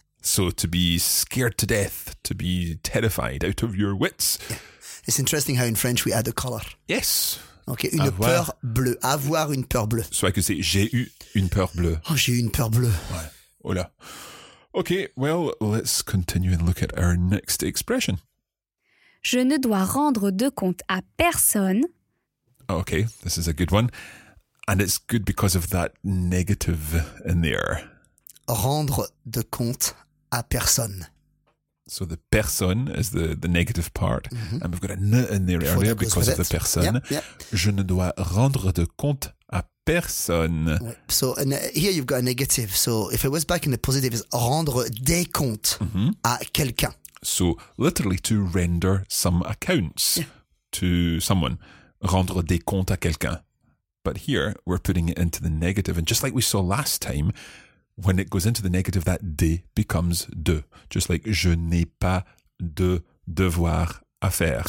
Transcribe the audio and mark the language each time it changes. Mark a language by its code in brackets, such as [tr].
[en] So to be scared to death, to be terrified out of your wits. Yeah. It's interesting how in French we add the color. Yes. [fr] Okay, une peur bleue. Avoir une peur bleue. [en] So I could say [fr] j'ai eu une peur bleue. Oh, j'ai eu une peur bleue. Ouais. Oh là. [en] Okay, well, let's continue and look at our next expression. [fr] Je ne dois rendre de compte à personne. [en] Okay, this is a good one. And it's good because of that negative in there. [fr] Rendre de compte à personne. [en] So the personne is the negative part. Mm-hmm. And we've got a ne in there before earlier because of the personne. Yeah, yeah. [fr] Je ne dois rendre de compte à personne. [en] So and here you've got a negative. So if it was back in the positive, it's [fr] rendre des comptes [en] mm-hmm. [fr] à quelqu'un. [en] So, literally, to render some accounts yeah. to someone. [fr] Rendre des comptes à quelqu'un. [en] But here, we're putting it into the negative. And just like we saw last time, when it goes into the negative, that des becomes de. Just like, [fr] je n'ai pas de devoir à faire.